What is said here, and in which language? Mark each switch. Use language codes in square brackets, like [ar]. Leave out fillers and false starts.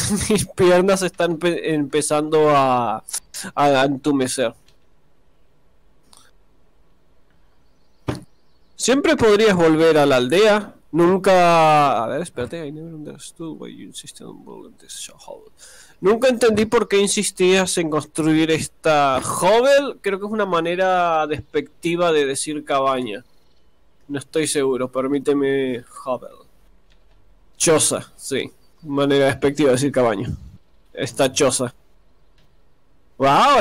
[es] Mis piernas están empezando a entumecer. Siempre podrías volver a la aldea. Nunca. A ver, espérate. [en] I never understood why you insisted on building this hovel. [es] Nunca entendí por qué insistías en construir esta hovel. Creo que es una manera despectiva de decir cabaña. No estoy seguro. Permíteme. Hovel. Choza. Sí. Manera despectiva de decir cabaña. Esta choza. ¡Wow!